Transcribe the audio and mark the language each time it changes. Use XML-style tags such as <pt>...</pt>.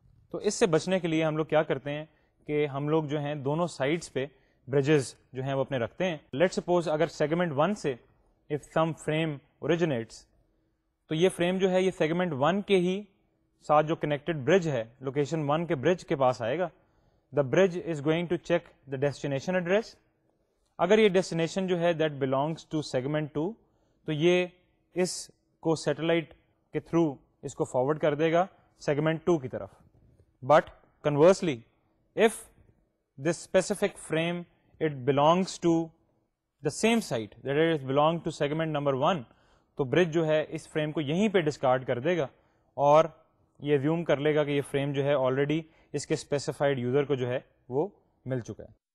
<ur>تو اس سے بچنے کے لیے ہم لوگ کیا کرتے ہیں کہ ہم لوگ جو ہیں دونوں سائٹس پہ بریجز جو ہیں وہ اپنے رکھتے ہیں.</ur> <en>let suppose اگر segment one سے if some frame originates</en> <ur>تو یہ فریم جو ہے یہ سیگمنٹ ون کے ہی ساتھ جو کنیکٹڈ برج ہے لوکیشن ون کے برج کے پاس آئے گا.</ur> <en>The bridge is going to check the destination address.</en> <ur>اگر یہ ڈیسٹینیشن جو ہے</ur> <en>that belongs to segment two</en> <ur>تو یہ اس کو سیٹلائٹ کے تھرو اس کو فارورڈ کر دے گا سیگمنٹ ٹو کی طرف.</ur> <en>but conversely if this specific frame it belongs to the same side that is belong to segment number one</en> <ur>تو برج جو ہے اس فریم کو یہیں پہ ڈسکارڈ کر دے گا اور یہ ویوم کر لے گا کہ یہ فریم جو ہے آلریڈی اس کے اسپیسیفائڈ یوزر کو جو ہے وہ مل چکا ہے.</ur>